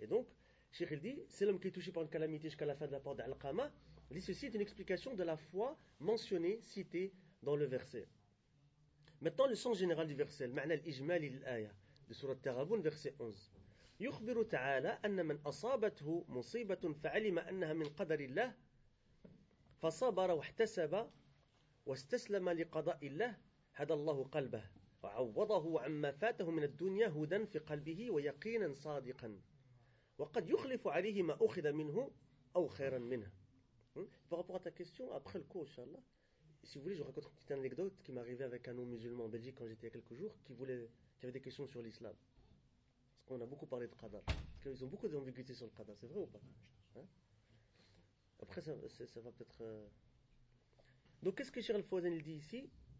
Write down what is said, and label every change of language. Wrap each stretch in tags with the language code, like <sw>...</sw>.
<fr>Et donc, Cheikh, il dit, c'est l'homme qui est touché par une calamité jusqu'à la fin de la porte d'Al-Qama, il dit, ceci est une explication de la foi mentionnée, citée dans le verset. Maintenant, le sens général du verset, le</fr> <ar>ma'na al-ijmali l'aya,</ar> <fr>de Surat Taghabun, verset 11.</fr> <ar>يخبر تعالى أن من أصابته مصيبة فعلم أنها من قدر الله فصبر واحتسب واستسلم لقضاء الله هدى الله قلبه وعوضه عما فاته من الدنيا هدى في قلبه ويقينا صادقا وقد يخلف عليه ما أخذ منه أو خيرا منه.</ar> <fr>Par rapport à ta question, après le cours, inshallah, si vous voulez, je raconte une petite anecdote qui m'est arrivée avec un non-musulman en Belgique quand j'étais il y a quelques jours qui avait des questions sur l'islam. Parce qu'on a beaucoup parlé de qadar. Ils ont beaucoup d'ambiguïté sur le qadar, c'est vrai ou pas? Après, ça va peut-être. Donc, qu'est-ce que Cheikh Al-Fawzan dit ici?</fr>